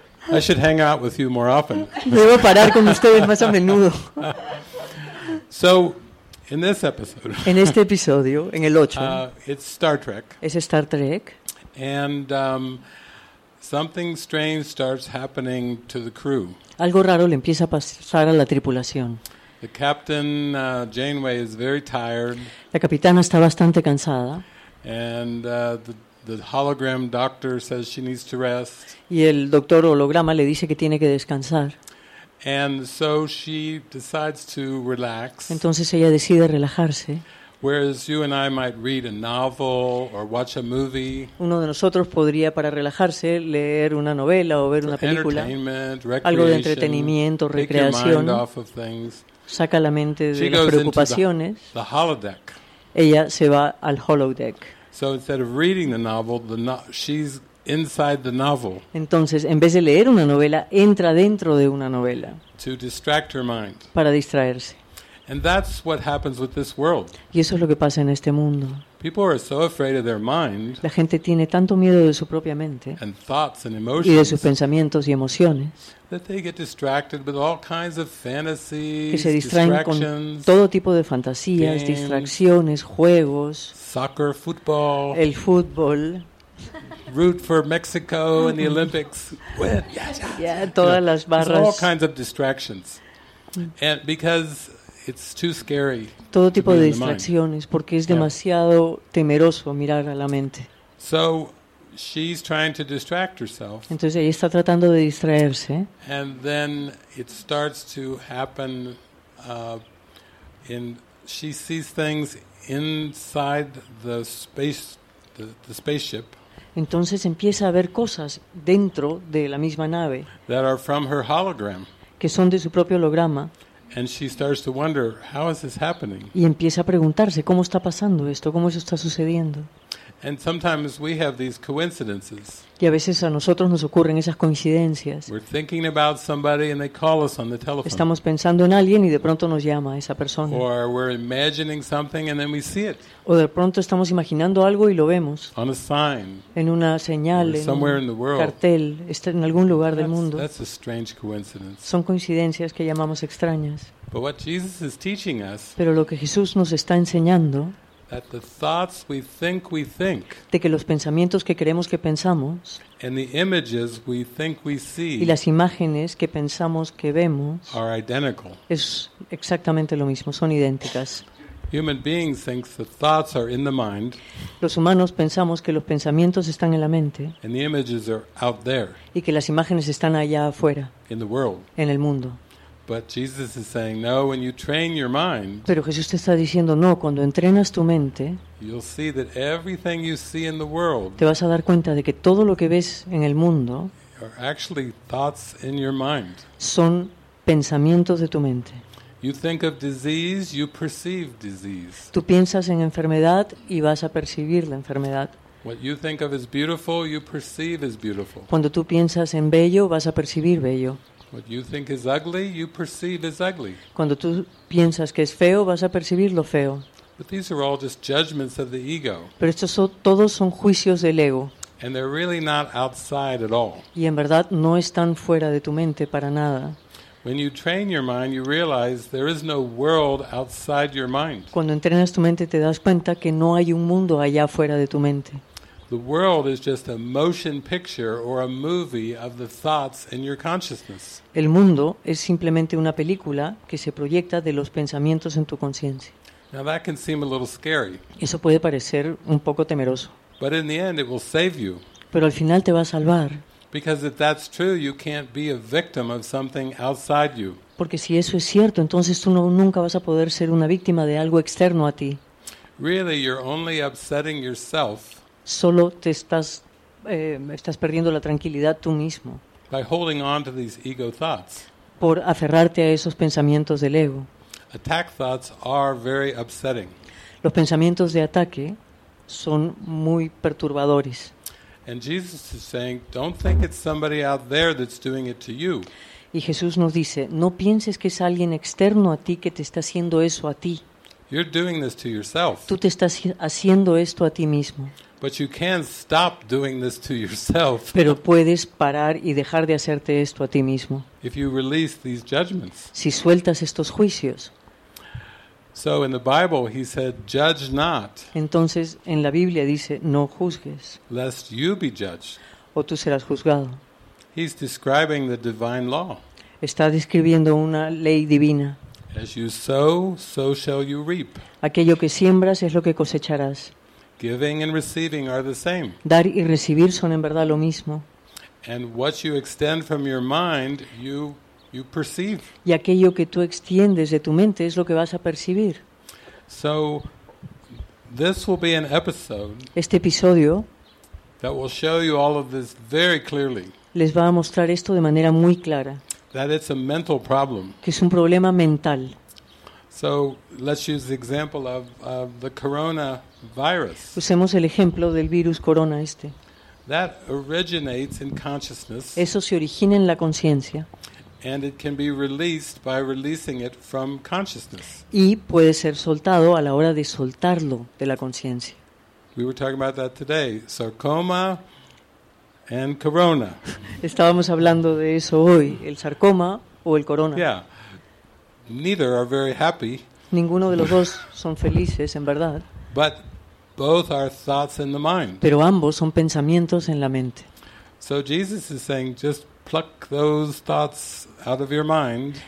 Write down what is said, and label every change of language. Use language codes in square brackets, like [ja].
[en] I should hang out with you more often. [es] Debo parar con ustedes más a menudo. [en] So, in this episode. [es] En este episodio, en el 8. [en] It's Star Trek. [es] Es Star Trek. [en] And something strange starts happening to the crew. [es] Algo raro le empieza a pasar a la tripulación. [en] The captain, Janeway, is very tired. [es] La capitana está bastante cansada. [en] And the hologram doctor says she needs to rest. [es] Y el doctor holograma le dice que tiene que descansar. [en] And so she decides to relax. [es] Entonces ella decide relajarse. [en] Whereas you and I might read a novel or watch a movie. [es] Uno de nosotros podría para relajarse leer una novela o ver una película. [en] Entertainment, recreation, [es] algo de entretenimiento, recreación. [en] Take your mind off of things. [es] Saca la mente de las preocupaciones. [en] She goes into the holodeck. [es] Ella se va al holodeck. [en] So instead of reading the novel, she's inside the novel. [es] Entonces, en vez de leer una novela, entra dentro de una novela. [en] To distract her mind. [es] Para distraerse. [en] And that's what happens with this world. [es] Y eso es lo que pasa en este mundo. [en] People are so afraid of their mind. [es] La gente tiene tanto miedo de su propia mente. [en] And thoughts and emotions. [es] Y de sus pensamientos y emociones. [en] That they get distracted with all kinds of fantasies. [es] Que se distraen con todo tipo de fantasías, [en] games, [es] distracciones, juegos. [en] Soccer, football. [es] El fútbol. [en] Root for Mexico in the Olympics. Win. Yeah, [es] yeah. Yeah, todas las barras. [en] There's all kinds of distractions. And because it's too scary. [es] Todo tipo de distracciones, porque es demasiado temeroso mirar a la mente. [en] So she's trying to distract herself. [es] Entonces ella está tratando de distraerse. [en] And then it starts to happen. In she sees things inside the spaceship. [es] Entonces empieza a ver cosas dentro de la misma nave. [en] That are from her hologram. [es] Que son de su propio holograma. [en] And she starts to wonder, how is this happening? [es] Y empieza a preguntarse, ¿cómo está pasando esto? ¿Cómo eso está sucediendo? [en] And sometimes we have these coincidences. [es] Y a veces a nosotros nos ocurren esas coincidencias. [en] We're thinking about somebody and they call us on the telephone. [es] Estamos pensando en alguien y de pronto nos llama esa persona. [en] Or we're imagining something and then we see it. [es] O de pronto estamos imaginando algo y lo vemos. [en] On a sign. [es] En una señal, en [en] somewhere [es] un [en] in the world. [es] Cartel, en algún lugar del mundo. [en] That's a strange coincidence. [es] Son coincidencias que llamamos extrañas. [en] But what Jesus is teaching us. [es] Pero lo que Jesús nos está enseñando. [en] That the thoughts we think we think, [es] de que los pensamientos que creemos que pensamos, [en] and the images we think we see, [es] y las imágenes que pensamos que vemos, [en] are identical. [es] Es exactamente lo mismo, son idénticas. [en] Human beings think the thoughts are in the mind. [es] Los humanos pensamos que los pensamientos están en la mente, [en] and the images are out there, [es] y que las imágenes están allá afuera, [en] in the world, [es] en el mundo. [en] But Jesus is saying, no, when you train your mind, [es] pero Jesús te está diciendo, no, cuando entrenas tu mente, [en] you'll see that everything you see in the world, [es] te vas a dar cuenta de que todo lo que ves en el mundo, [en] are actually thoughts in your mind. [es] Son pensamientos de tu mente. [en] You think of disease, you perceive disease. [es] Tú piensas en enfermedad y vas a percibir la enfermedad. [en] What you think of as beautiful, you perceive as beautiful. [es] Cuando tú piensas en bello, vas a percibir bello. [en] What you think is ugly, you perceive as ugly. [es] Cuando tú piensas que es feo, vas a percibir lo feo. [en] But these are all just judgments of the ego. [es] Pero estos son, todos son juicios del ego. [en] And they're really not outside at all. [es] Y en verdad no están fuera de tu mente para nada. [en] When you train your mind, you realize there is no world outside your mind. [es] Cuando entrenas tu mente, te das cuenta que no hay un mundo allá fuera de tu mente. [en] The world is just a motion picture or a movie of the thoughts in your consciousness. [es] El mundo es simplemente una película que se proyecta de los pensamientos en tu conciencia. [en] Now that can seem a little scary. [es] Eso puede parecer un poco temeroso. [en] But in the end, it will save you. [es] Pero al final te va a salvar. [en] Because if that's true, you can't be a victim of something outside you. [es] Porque si eso es cierto, entonces tú no, nunca vas a poder ser una víctima de algo externo a ti. [en] Really, you're only upsetting yourself. [es] Solo te estás perdiendo la tranquilidad tú mismo. [en] By holding on to these ego thoughts. [es] Por aferrarte a esos pensamientos del ego. [en] Attack thoughts are very upsetting. [es] Los pensamientos de ataque son muy perturbadores. [en] And Jesus is saying, don't think it's somebody out there that's doing it to you. [es] Y Jesús nos dice, no pienses que es alguien externo a ti que te está haciendo eso a ti. [en] You're doing this to yourself. [es] Tú te estás haciendo esto a ti mismo. [en] But you can't stop doing this to yourself. [es] Pero puedes parar y dejar de hacerte esto a ti mismo. [en] If you release these judgments. [es] Si sueltas estos juicios. [en] So in the Bible he said, judge not. [es] Entonces en la Biblia dice, no juzgues. [en] Lest you be judged. [es] O tú serás juzgado. [en] He's describing the divine law. [es] Está describiendo una ley divina. [en] As you sow, so shall you reap. [es] Aquello que siembras es lo que cosecharás. [en] Giving and receiving are the same. [es] Dar y recibir son en verdad lo mismo. [en] And what you extend from your mind, you perceive. [es] Y aquello que tú extiendes de tu mente es lo que vas a percibir. [en] So this will be an episode. [es] Este episodio [en] that will show you all of this very clearly. [es] Les va a mostrar esto de manera muy clara. [en] That it's a mental problem. [es] Que es un problema mental. [en] So let's use the example of the coronavirus. [es] Usemos el ejemplo del virus corona este. [en] That originates in consciousness. [es] Eso se origina en la conciencia. [en] And it can be released by releasing it from consciousness. [es] Y puede ser soltado a la hora de soltarlo de la conciencia. [en] We were talking about that today. Sarcoma and corona. [es] Estábamos hablando de eso hoy, el sarcoma o el corona. [en] Yeah. Neither are very happy. [es] Ninguno de los dos son felices, en verdad. [en] But both are thoughts in the mind. [es] Pero ambos son pensamientos en la mente. [en] So Jesus is saying, just pluck those thoughts out of your mind.